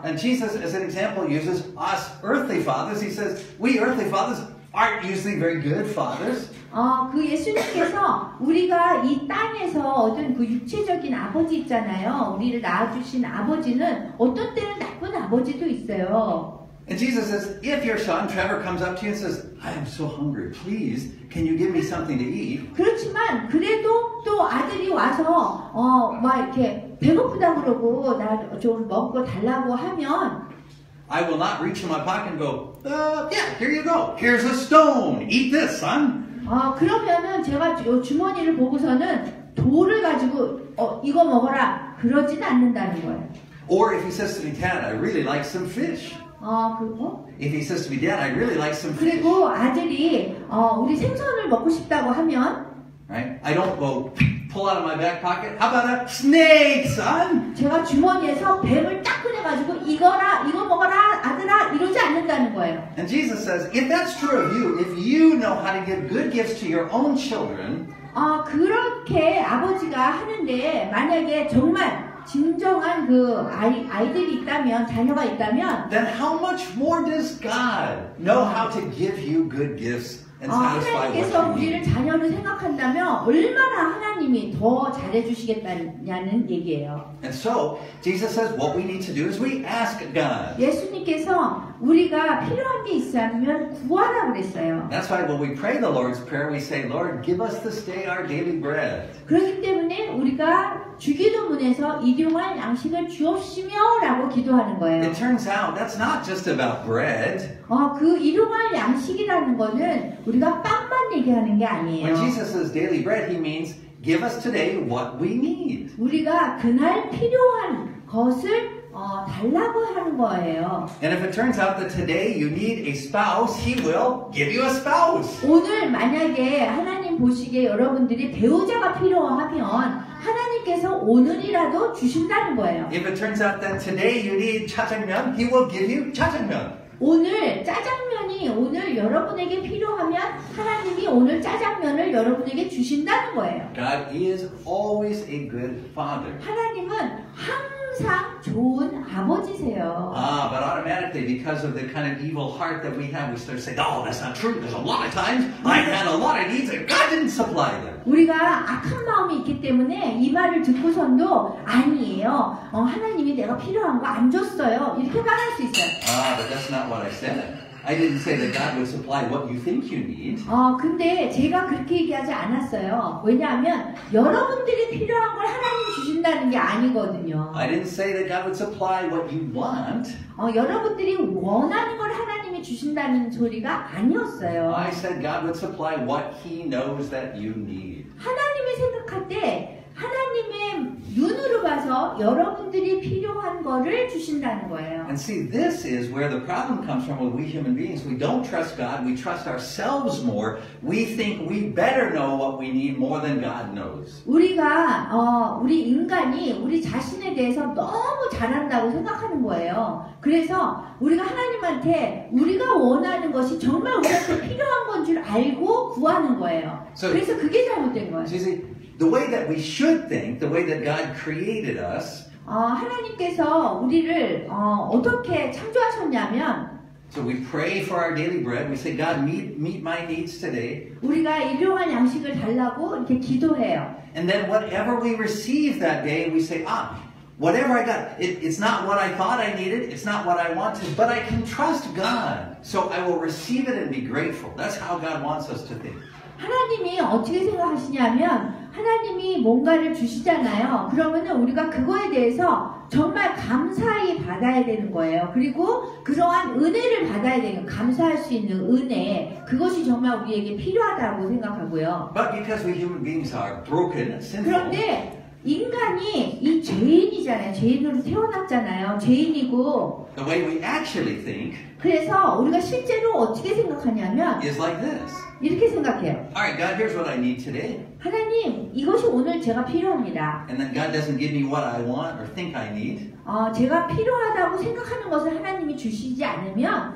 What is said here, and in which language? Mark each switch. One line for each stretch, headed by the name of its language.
English: And Jesus, as an example, uses us earthly fathers. He says, we earthly fathers aren't usually very good fathers.
Korean: 그 예수님께서 우리가 이 땅에서 얻은 그 육체적인 아버지 있잖아요. 우리를 낳아주신 아버지는 어떤 때는 나쁜 아버지도 있어요.
English: And Jesus says, if your son Trevor comes up to you and says, I am so hungry, please, can you give me something to eat?
Korean: 그렇지만 그래도 또 아들이 와서 막 이렇게 배고프다 그러고 나 좀 먹고 달라고 하면
English: I will not reach in my pocket and go, yeah, here you go. Here's a stone. Eat this, son.
Korean: 그러면은 제가 주머니를 보고서는 돌을 가지고 이거 먹어라 그러진 않는다는 거예요.
English: Or if he says to me, Dad, I really like some fish.
Korean: 그리고?
English: If he says to me, Dad, I really like some fish.
Korean: 그리고 아들이 우리 생선을 먹고 싶다고 하면
English: Right? I don't go pull out of my back pocket. How about a snake, son?
Korean: 제가 주머니에서 뱀을 딱 꺼내가지고 이거라, 이거 먹어라, 아들아, 이 그러지 않는다는 거예요.
English: And Jesus says, if that's true of you, if you know how to give good gifts to your own children,
Korean: 그렇게 아버지가 하는데 만약에 정말 진정한 그 아이들이 있다면 자녀가 있다면
English: then how much more does God know how to give you good gifts and satisfy what you need?
Korean: 하나님께서 우리를 자녀를 생각한다면 얼마나 하나님이 더 잘해 주시겠다냐는 얘기예요.
English: And so Jesus says what we need to do is we ask God.
Korean: 예수님께서 우리가 필요한 게 있으면 구하라 그랬어요.
English: That's why when we pray the Lord's Prayer we say Lord give us this day our daily bread.
Korean: 그렇기 때문에 우리가 주기도문에서 일용할 양식을 주옵시며라고 기도하는 거예요.
English: It turns out that's not just about bread.
Korean: 그 일용할 양식이라는 거는 우리가 빵만 얘기하는 게 아니에요.
English: When Jesus says daily bread, he means give us today what we need.
Korean: 우리가 그날 필요한 것을 달라고 하는 거예요.
English: And if it turns out that today you need a spouse, he will give you a spouse.
Korean: 오늘 만약에 하나님 보시기에 여러분들이 배우자가 필요하면 하나님께서 오늘이라도 주신다는 거예요.
English: If it turns out that today you need 짜장면, he will give you 짜장면.
Korean: 오늘 짜장면이 오늘 여러분에게 필요하면 하나님이 오늘 짜장면을 여러분에게 주신다는 거예요.
English: God is always a good father.
Korean: 하나님은 항상 좋은 아버지세요.
English: But automatically because of the kind of evil heart that we have, we start saying, oh, that's not true. There's a lot of times I had a lot of needs and God didn't supply them.
Korean: 우리가 악한 마음이 있기 때문에 이 말을 듣고선도 아니에요. 하나님이 내가 필요한 거 안 줬어요. 이렇게 말할 수 있어요.
English: But that's not what I said. I didn't say that God would supply what you think you need.
Korean: 근데 제가 그렇게 얘기하지 않았어요. 왜냐하면 여러분들이 필요한 걸 하나님이 주신다는 게 아니거든요.
English: I didn't say that God would supply what you want.
Korean: 여러분들이 원하는 걸 하나님이 주신다는 소리가 아니었어요.
English: I said God would supply what he knows that you need.
Korean: 하나님이 생각할 때 하나님의 눈으로 봐서 여러분들이 필요한 거를 주신다는 거예요.
English: And see, this is where the problem comes from with we human beings. We don't trust God. We trust ourselves more. We think we better know what we need more than God knows.
Korean: 우리가 우리 인간이 우리 자신에 대해서 너무 잘 안다고 생각하는 거예요. 그래서 우리가 하나님한테 우리가 원하는 것이 정말 우리한테 필요한 건 줄 알고 구하는 거예요. 그래서 그게 잘못된 거예요.
English: The way that we should think, the way that God created us.
Korean: 하나님께서 우리를 어떻게 창조하셨냐면.
English: So we pray for our daily bread. We say, God, meet my needs today.
Korean: 우리가 일용할 양식을 달라고 이렇게 기도해요.
English: And then whatever we receive that day, we say, whatever I got, it's not what I thought I needed. It's not what I wanted. But I can trust God, so I will receive it and be grateful. That's how God wants us to think.
Korean: 하나님이 어떻게 생각하시냐면 하나님이 뭔가를 주시잖아요. 그러면은 우리가 그거에 대해서 정말 감사히 받아야 되는 거예요. 그리고 그러한 은혜를 받아야 되는 감사할 수 있는 은혜 그것이 정말 우리에게 필요하다고 생각하고요.
English: But because we human beings are broken, sinful.
Korean: 그런데 인간이 이 죄인이잖아요. 죄인으로 태어났잖아요. 죄인이고.
English: The way we actually think.
Korean: 그래서 우리가 실제로 어떻게 생각하냐면
English: is like this.
Korean: 이렇게 생각해요.
English: All right, God, here's what I need today.
Korean: 하나님, 이것이 오늘 제가 필요합니다.
English: And then God doesn't give me what I want or think I need.
Korean: 제가 필요하다고 생각하는 것을 하나님이 주시지 않으면